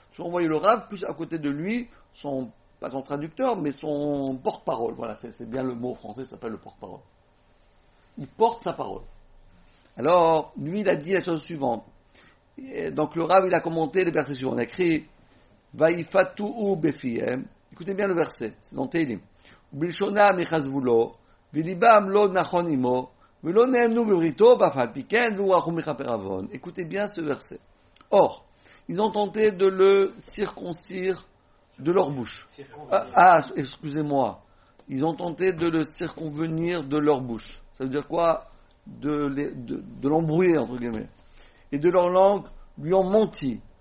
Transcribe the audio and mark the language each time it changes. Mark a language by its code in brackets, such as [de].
[fr] Si on voyait le Rav, plus à côté de lui, pas son traducteur, mais son porte-parole. Voilà, c'est bien le mot français, ça s'appelle le porte-parole. Il porte sa parole. Alors, lui, il a dit la chose suivante. Et donc, le Rav, il a commenté les versets suivants. On a écrit, Vaïfatu'u befiem. Écoutez bien le verset, c'est dans Tehilim. [he] בלשונה מחזבולו, וליבם לא נכון עמו, ולא נאמנו בבריתו, ואף על פי כן, והוא רחום מכפר עוון. [fr] Écoutez bien ce verset. Or, ils ont tenté de le circoncire de leur bouche. Excusez-moi. Ils ont tenté de le circonvenir de leur bouche. Ça veut dire quoi? De l'embrouiller, entre guillemets. Et de leur langue, lui ont menti.